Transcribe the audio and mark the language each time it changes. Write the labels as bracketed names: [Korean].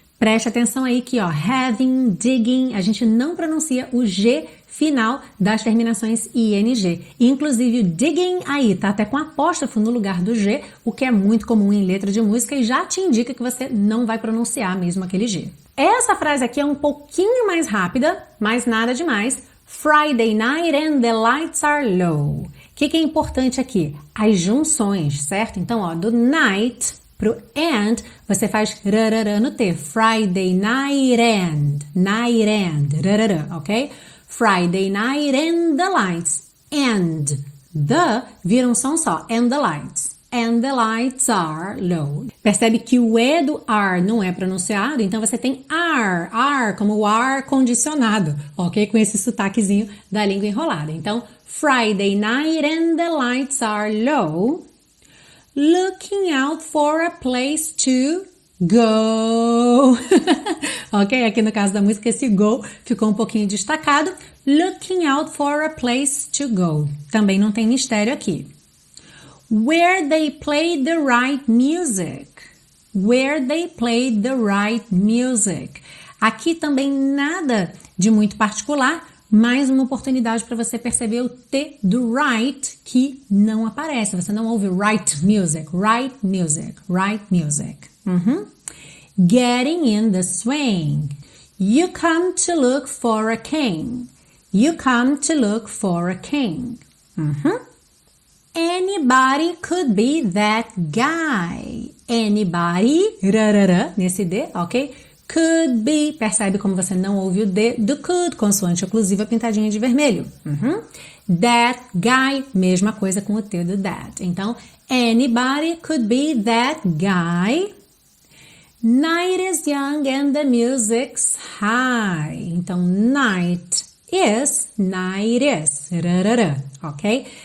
[Portuguese] Preste atenção aí que, ó, having, digging, a gente não pronuncia o G final das terminações ING. Inclusive, o digging aí tá até com apóstrofo no lugar do G, o que é muito comum em letra de música e já te indica que você não vai pronunciar mesmo aquele G. Essa frase aqui é um pouquinho mais rápida, mas nada demais. [English] Friday night and the lights are low. [Portuguese] O que, que é importante aqui? As junções, certo? Então, ó, do night pro and, você faz rarara no T. [English] Friday night and, rarara, ok? Friday night and the lights, and the, [Portuguese] vira um som só, [English] and the lights are low. [Portuguese] Percebe que o E do R não é pronunciado, então você tem R, como o R condicionado, ok? Com esse sotaquezinho da língua enrolada. Então, [English] Friday night and the lights are low, looking out for a place to go. [Portuguese] Ok, aqui no caso da música esse go ficou um pouquinho destacado. [English] Looking out for a place to go. [Portuguese] Também não tem mistério aqui. [English] Where they played the right music. Where they played the right music. [Portuguese] Aqui também nada de muito particular. Mais uma oportunidade para você perceber o T do right que não aparece. Você não ouve [English] right music. Right music. Right music. Uhum. Getting in the swing. You come to look for a king. You come to look for a king. Uhum. Anybody could be that guy. Anybody, [Portuguese] rarara, nesse D, ok? [English] Could be, [Portuguese] percebe como você não ouve o D do could, consoante oclusiva pintadinha de vermelho. Uhum. [English] That guy, [Portuguese] mesma coisa com o T do that. Então, [English] anybody could be that guy. Night is young and the music's high. [Portuguese] Então, [English] night is, [Portuguese] rarara, ok?